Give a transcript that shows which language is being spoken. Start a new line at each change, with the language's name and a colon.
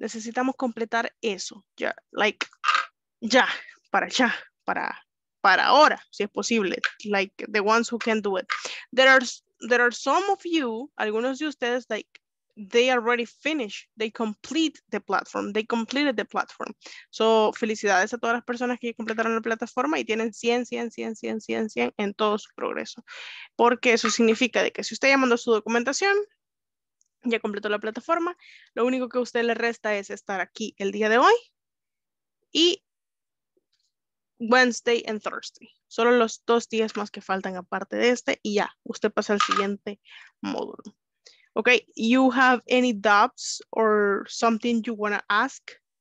Spanish: Necesitamos completar eso. Ya, like, ya, para ahora, si es posible.
English: Like, the ones who can do it. There are some of you,
Spanish: algunos de ustedes,
English: like, they already finished. They complete the platform. They completed the platform.
Spanish: So, felicidades a todas las personas que completaron la plataforma y tienen 100 en todo su progreso. Porque eso significa de que si usted ya mandó su documentación, ya completó la plataforma, lo único que a usted le resta es estar aquí el día de hoy y
English: Wednesday and Thursday.
Spanish: Solo los dos días más que faltan aparte de este y ya, usted pasa al siguiente módulo.
English: Okay, you have any doubts or something you want to ask?